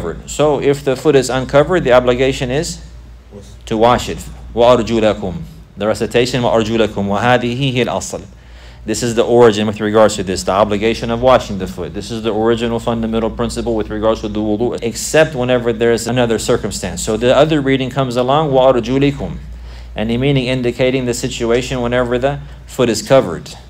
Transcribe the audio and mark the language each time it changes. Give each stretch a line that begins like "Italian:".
English: So if the foot is uncovered, the obligation is to wash it.
Arabic: وَأَرْجُلَكُمْ.
English: The recitation
Arabic: وَأَرْجُلَكُمْ وَهَذِهِ هِي الْأَصْلِ.
English: This is the origin with regards to this, the obligation of washing the foot. This is the original fundamental principle with regards to the wudu, except whenever there is another circumstance. So the other reading comes along, وَأَرْجُلِكُمْ. Any meaning indicating the situation whenever the foot is covered.